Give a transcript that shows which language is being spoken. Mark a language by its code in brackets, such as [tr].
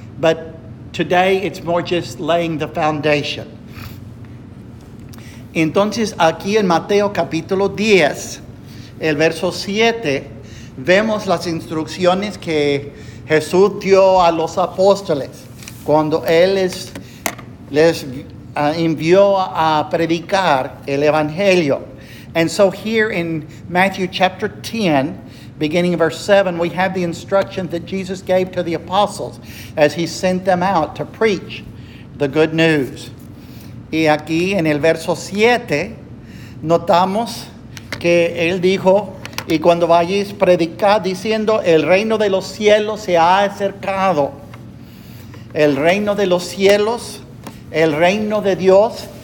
[en] But today it's more just laying the foundation. [es] Entonces aquí en Mateo capítulo 10, el verso 7, vemos las instrucciones que Jesús dio a los apóstoles cuando Él les envió a predicar el Evangelio. [en] And so here in Matthew chapter 10, beginning verse 7, we have the instructions that Jesus gave to the apostles as He sent them out to preach the good news. [es] Y aquí en el verso 7, notamos que Él dijo, y cuando vayáis a predicar, diciendo, el reino de los cielos se ha acercado. El reino de los cielos, el reino de Dios.